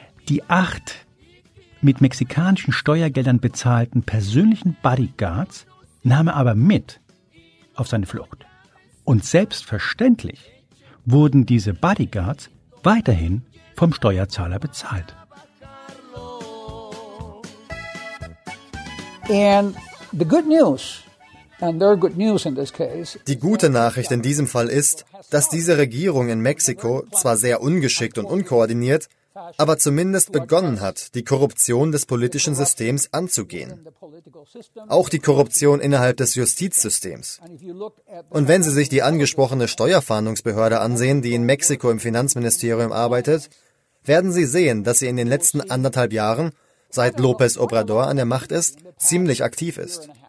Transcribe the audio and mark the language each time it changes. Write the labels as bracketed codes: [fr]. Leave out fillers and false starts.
[de] Die 8 mit mexikanischen Steuergeldern bezahlten persönlichen Bodyguards nahm er aber mit auf seine Flucht. Und selbstverständlich wurden diese Bodyguards weiterhin vom Steuerzahler bezahlt. [en] And the good news, and there are good news in this case. [de] Die gute Nachricht in diesem Fall ist, dass diese Regierung in Mexiko zwar sehr ungeschickt und unkoordiniert, aber zumindest begonnen hat, die Korruption des politischen Systems anzugehen. Auch die Korruption innerhalb des Justizsystems. Und wenn Sie sich die angesprochene Steuerfahndungsbehörde ansehen, die in Mexiko im Finanzministerium arbeitet, werden Sie sehen, dass sie in den letzten 1,5 Jahren, seit López Obrador an der Macht ist, ziemlich aktiv ist.